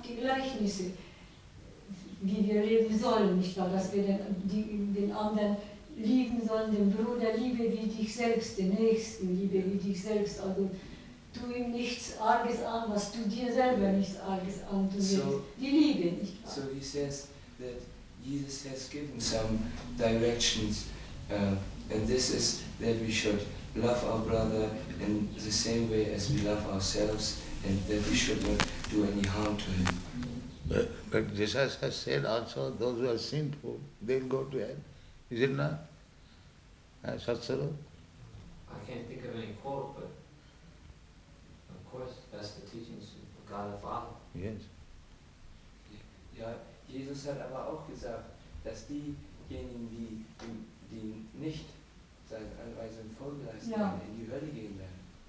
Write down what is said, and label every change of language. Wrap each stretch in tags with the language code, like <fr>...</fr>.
<de>Die Gleichnisse, wie wir leben sollen, nicht wahr? Dass wir den anderen lieben sollen, den Bruder, liebe wie dich selbst, den Nächsten, liebe wie dich selbst. Also, tu ihm nichts Arges an, was du dir selber nichts Arges antust. So, die Liebe, nicht wahr?</de> <en>So he says that Jesus has given some directions, and this is that we should love our brother in the same way as we love ourselves, and that we should not do any harm to him. But Jesus has said also, those who are sinful, they'll go to hell. Is it not? Satsaro? I can't think of any quote, but of course that's the teachings of God the Father. Yes.</en> <de>Ja, Jesus hat aber auch gesagt, dass diejenigen, die nicht seine Anweisungen folgen lassen, ja, in die Hölle gehen werden.</de>